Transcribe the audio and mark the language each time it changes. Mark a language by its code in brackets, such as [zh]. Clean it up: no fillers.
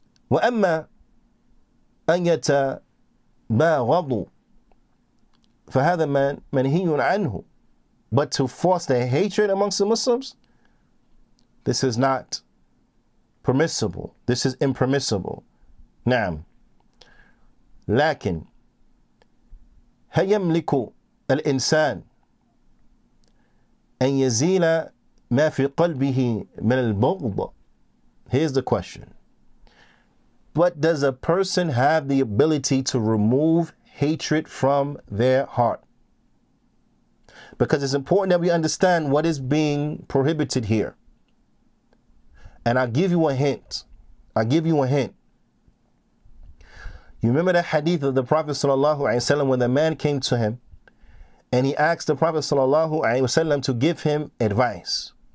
[ar] وأما أن يتباغضوا فهذا منهي عنه, [en] but to force their hatred amongst the Muslims, this is not permissible. This is impermissible. نعم. [ar] لكن هل يملك الإنسان أن يزيل ما في قلبه من البغض? [en] Here's the question. But does a person have the ability to remove hatred from their heart? Because it's important that we understand what is being prohibited here. And I'll give you a hint. You remember the hadith of the Prophet sallallahu alaihi wasallam when the man came to him and he asked the Prophet sallallahu alaihi wasallam to give him advice.